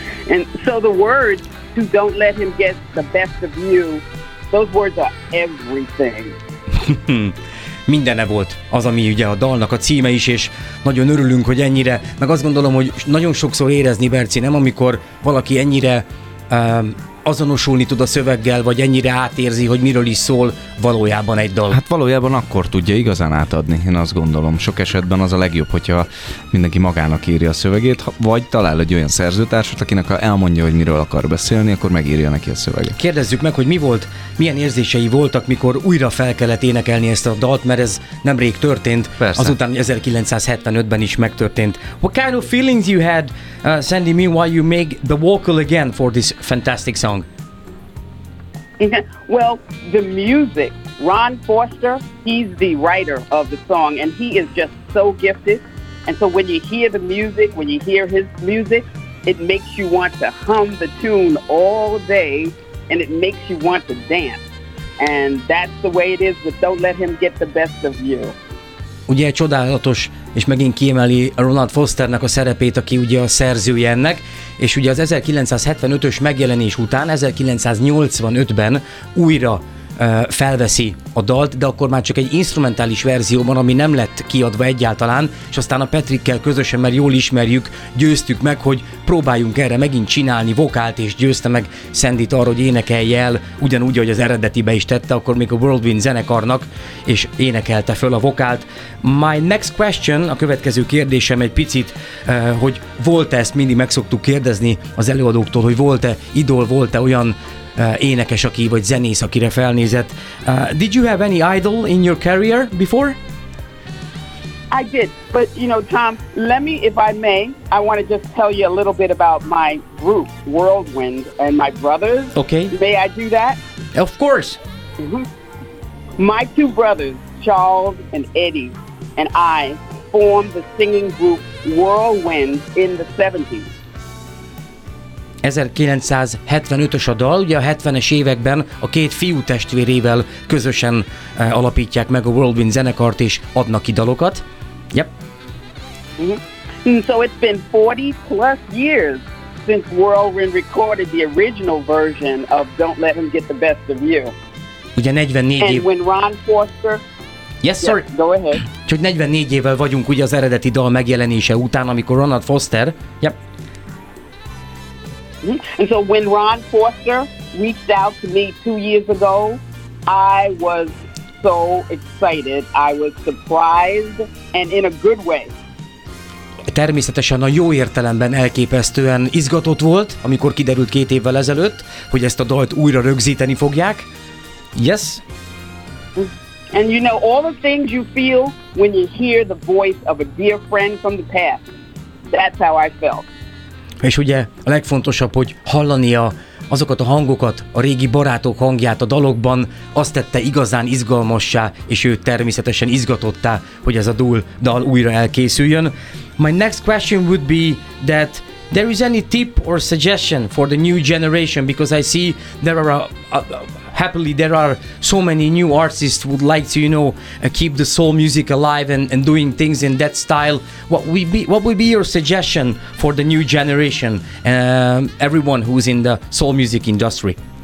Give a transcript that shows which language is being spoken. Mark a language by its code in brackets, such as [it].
[en] And so the words, to don't let him get the best of you, those words are everything. [hu] Mindene volt az, ami ugye a dalnak a címe is, és nagyon örülünk, hogy ennyire, meg azt gondolom, hogy nagyon sokszor érezni, Berci, nem, amikor valaki ennyire azonosulni tud a szöveggel, vagy ennyire átérzi, hogy miről is szól valójában egy dal. Hát valójában akkor tudja igazán átadni, én azt gondolom. Sok esetben az a legjobb, hogyha mindenki magának írja a szövegét, vagy talál egy olyan szerzőtársat, akinek ha elmondja, hogy miről akar beszélni, akkor megírja neki a szöveget. Kérdezzük meg, hogy mi volt, milyen érzései voltak, mikor újra fel kellett énekelni ezt a dalt, mert ez nemrég történt. Persze. Azután 1975-ben is megtörtént. [en] What kind of feelings you had, Sandy, meanwhile you make the vocal again for this fantastic song? Well, the music, Ron Foster, he's the writer of the song, and he is just so gifted. And so when you hear the music, when you hear his music, it makes you want to hum the tune all day, and it makes you want to dance. And that's the way it is with Don't Let Him Get the Best of You. [hu] Ugye csodálatos, és megint kiemeli Ronald Fosternek a szerepét, aki ugye a szerzője ennek, és ugye az 1975-ös megjelenés után 1985-ben újra felveszi a dalt, de akkor már csak egy instrumentális verzióban, ami nem lett kiadva egyáltalán, és aztán a Patrickkel közösen, mert jól ismerjük, győztük meg, hogy próbáljunk erre megint csinálni vokált, és győzte meg Sandyt arra, hogy énekelje el, ugyanúgy, ahogy az eredetibe is tette, akkor még a Worldwind zenekarnak, és énekelte föl a vokált. [en] My next question, [hu] a következő kérdésem egy picit, hogy volt-e, ezt mindig meg szoktuk kérdezni az előadóktól, hogy volt-e idol, volt-e olyan énekes, aki vagy zenész, akire felnézett. [en] Did you have any idol in your career before? I did, but you know, Tom, let me, if I may, I want to just tell you a little bit about my group, Worldwind, and my brothers. Okay. May I do that? Of course. Mm-hmm. My two brothers, Charles and Eddie, and I formed the singing group Worldwind in the 70s. [hu] 1975-ös a dal, ugye a 70-es években a két fiú testvérével közösen alapítják meg a Worldwind zenekart, és adnak ki dalokat. [en] Yep. Mm-hmm. So it's been 40 plus years since Worldwind recorded the original version of Don't Let Him Get the Best of You. [hu] Ugye 44 év... [en] And when Ron Foster... Yes, sir. Yes, go ahead. [hu] Úgyhogy 44 évvel vagyunk ugye az eredeti dal megjelenése után, amikor Ronald Foster... [en] Yep. And so when Ron Foster reached out to me 2 years ago, I was so excited. I was surprised, and in a good way. [hu] természetesen a jó értelemben elképesztően izgatott volt, amikor kiderült 2 évvel ezelőtt, hogy ezt a dalt újra rögzíteni fogják. [en] Yes? And you know all the things you feel when you hear the voice of a dear friend from the past. That's how I felt. [hu] És ugye a legfontosabb, hogy hallania azokat a hangokat, a régi barátok hangját a dalokban, azt tette igazán izgalmassá, és ő természetesen izgatottá, hogy ez a dúl dal újra elkészüljön. [en] My next question would be that there is any tip or suggestion for the new generation, because I see there are happily there are so many new artists who would like to, you know, keep the soul music alive and doing things in that style. What would be your suggestion for the new generation, everyone who's in the soul music industry?